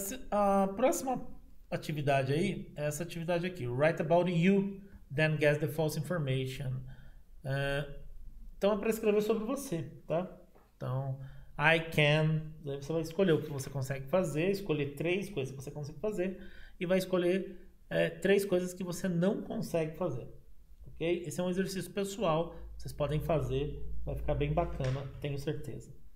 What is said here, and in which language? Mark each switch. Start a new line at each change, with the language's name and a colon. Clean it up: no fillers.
Portuguese: A próxima atividade aí é essa atividade aqui.
English: Write about you, then guess the false information.
Portuguese: Então é para escrever sobre você, tá? Então,
English: I can,
Portuguese: daí você vai escolher o que você consegue fazer, escolher três coisas que você consegue fazer e vai escolher três coisas que você não consegue fazer, ok? Esse é um exercício pessoal, vocês podem fazer, vai ficar bem bacana, tenho certeza.